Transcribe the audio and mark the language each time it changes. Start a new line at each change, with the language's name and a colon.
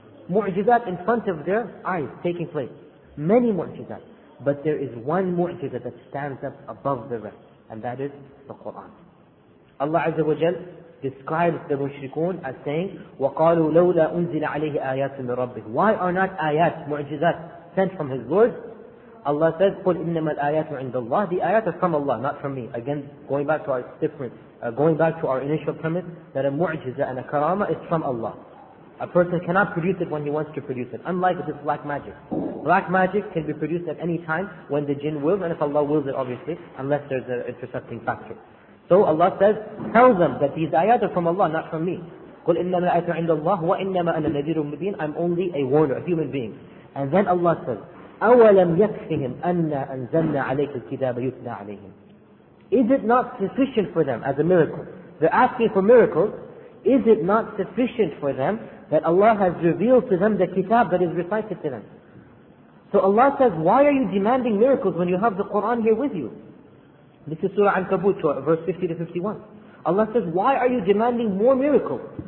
English: Mu'jizat in front of their eyes taking place. Many mu'jizat. But there is one mu'jizat that stands up above the rest, and that is the Qur'an. Allah Azza wa Jal describes the mushrikun as saying,
Arabic: وَقَالُوا لَوْلَا أُنزِلَ عَلَيْهِ آيَاتٌ مِّن رَبِّهِ.
English: Why are not ayat, mu'jizat, sent from His Lord? Allah says,
Arabic: قُلْ إِنَّمَا الْآيَاتُ عِنْدَ اللَّهِ.
English: The ayat are from Allah, not from me. Again, going back to our initial premise, that a mu'jiza and a karama is from Allah. A person cannot produce it when he wants to produce it, unlike this black magic. Black magic can be produced at any time when the jinn wills, and if Allah wills it, obviously, unless there's an intercepting factor. So Allah says, tell them that these ayat are from Allah, not from me.
Arabic: قُلْ إِنَّمَا الْآيَاتُ عِنْدَ اللَّهِ وَإِنَّمَا أَنَا نَذِيرٌ مُّبِينٌ.
English: I'm only a warner, a human being. And then Allah says,
Arabic: أَوَلَمْ يَكْفِهِمْ أَنَّا أَنزَلْنَا عَلَيْكَ الْكِتَابَ يُتْلَى عَلَيْهِمْ.
English: Is it not sufficient for them as a miracle? They're asking for miracles. Is it not sufficient for them that Allah has revealed to them the kitab that is recited to them? So Allah says, why are you demanding miracles when you have the Qur'an here with you? This is Surah Al-Kabut, verse 50 to 51. Allah says, why are you demanding more miracles?